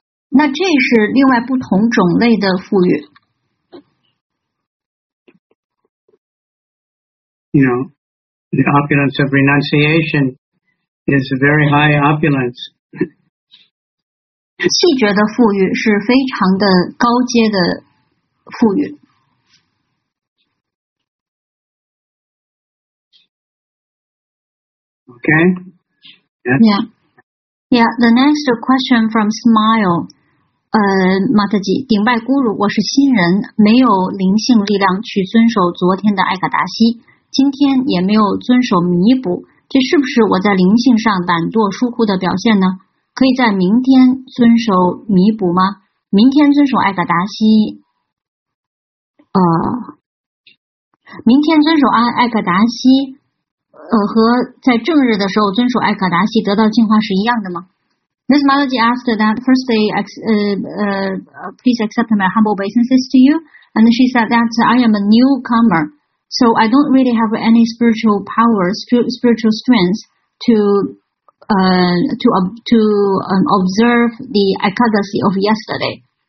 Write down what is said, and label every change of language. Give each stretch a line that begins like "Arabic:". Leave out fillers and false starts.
Chinese: 那这是另外不同种类的富裕。
English: You know, the opulence of renunciation is a very high opulence.
Chinese: 气绝的富裕是非常的高阶的富裕。
English: Okay. Yeah. Yeah. The next question from Smile.
Chinese: Mataji, 顶拜咕噜，我是新人，没有灵性力量去遵守昨天的艾卡达西，今天也没有遵守弥补，这是不是我在灵性上懒惰疏忽的表现呢？可以在明天遵守弥补吗？明天遵守艾卡达西，明天遵守艾卡达西，和在正日的时候遵守艾卡达西得到净化是一样的吗？
English: This Mataji asked that firstly, please accept my humble obeisances to you. And she said that I am a newcomer, so I don't really have any spiritual powers, spiritual strengths to observe the Ekadasi of yesterday.